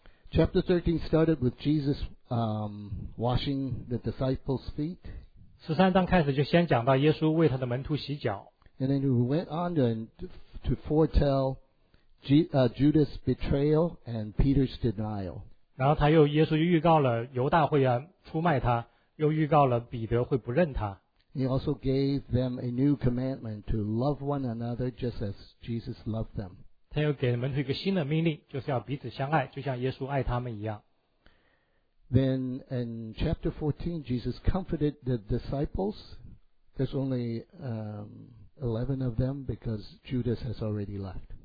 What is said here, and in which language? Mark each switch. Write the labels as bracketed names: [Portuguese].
[English] Chapter 13 started with Jesus washing the disciples' feet. [Chinese] 13章开始就先讲到耶稣为他的门徒洗脚。 [English] And then he went on to foretell Judas' betrayal and Peter's denial. [Chinese] 然后他又耶稣就预告了犹大会要出卖他，又预告了彼得会不认他。 [English] He also gave them a new commandment to love one another just as Jesus loved them. [Chinese] 他又给门徒一个新的命令，就是要彼此相爱，就像耶稣爱他们一样。 [English] Then in chapter 14, Jesus comforted the disciples. There's only 11 of them because Judas has already left.